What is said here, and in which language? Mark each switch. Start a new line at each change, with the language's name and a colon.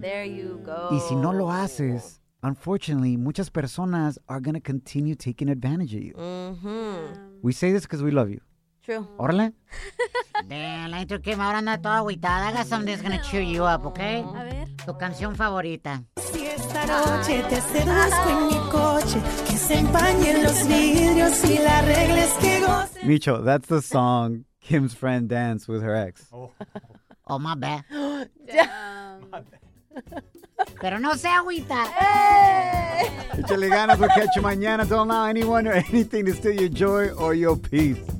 English: There you go.
Spanish: Y si no lo haces...
English: Unfortunately,
Spanish: muchas personas
English: are going to continue taking advantage of you. We say this because we love you. True.
Spanish: Órale.
English: Damn,
Spanish: la intro
English: came out on that
Spanish: toda aguitada.
English: I got something that's going to cheer you up, okay?
Spanish: A ver. Tu canción favorita. Si esta noche te seduzco en mi coche, que se empañen los vidrios y las reglas que gocen.
English: Micho, that's the song Kim's friend danced with her ex. Oh, my bad. Damn.
Spanish: Pero no se agüita. ¡Hey! Échale ganas,
English: we'll catch you
Spanish: mañana.
English: Don't allow anyone or anything to steal your joy or your peace.